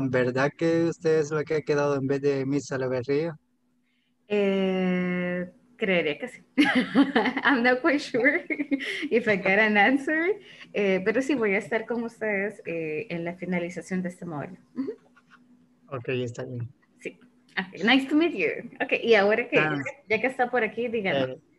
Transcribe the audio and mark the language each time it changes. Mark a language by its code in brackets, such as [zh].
[es] ¿Verdad que usted es la que ha quedado en vez de Miss Salaverría? Creería que sí. [en] I'm not quite sure if I get an answer. [es] Pero sí, voy a estar con ustedes en la finalización de este módulo. Ok, está bien. [en] Sí. Okay, nice to meet you. [es] Ok, y ahora que ya que está por aquí, díganos.